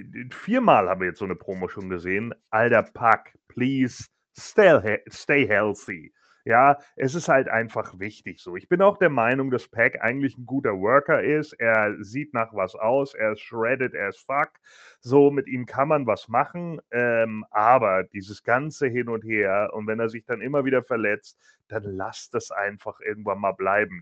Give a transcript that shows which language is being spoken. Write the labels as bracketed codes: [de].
[de] Viermal haben wir jetzt so eine Promo schon gesehen. Alter [en] Pack, please stay healthy. [de] Ja, es ist halt einfach wichtig so. Ich bin auch der Meinung, dass Pack eigentlich ein guter Worker ist. Er sieht nach was aus, er ist shredded, er ist fuck. So, mit ihm kann man was machen. Aber dieses ganze Hin und Her, und wenn er sich dann immer wieder verletzt, dann lass das einfach irgendwann mal bleiben.